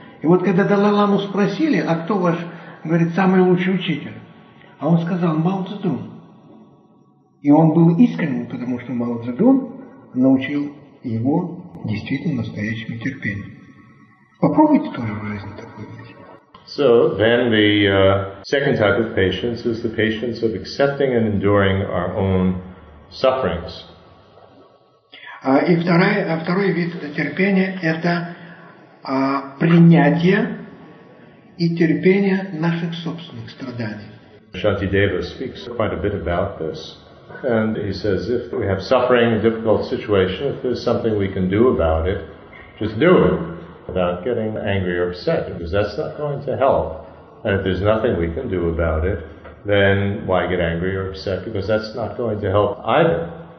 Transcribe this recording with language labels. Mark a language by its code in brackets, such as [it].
[ru] И вот когда Далай-ламу спросили, а кто ваш, говорит, самый лучший учитель, а он сказал, Мао Цзэдун. И он был искренним, потому что Мао Цзэдун научил его действительно настоящему терпению. Попробуйте тоже в жизни такое видеть. [en] So then the second type of patience is the patience of accepting and enduring our own sufferings. [ru] И второй вид терпения это принятие и терпение наших собственных страданий. [en] Шантидева speaks quite a bit about this. And he says, if we have suffering, a difficult situation, if there's something we can do about it, just do it without getting angry or upset, because that's not going to help. And if there's nothing we can do about it, then why get angry or upset, because that's not going to help either.